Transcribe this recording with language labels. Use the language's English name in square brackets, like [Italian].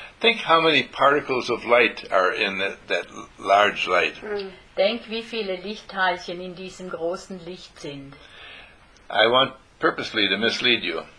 [English] Think how many particles of light are in that large light. Mm. [German] Denk, wie viele Lichtteilchen in diesem großen Licht sind. [English] I want purposely to mislead you.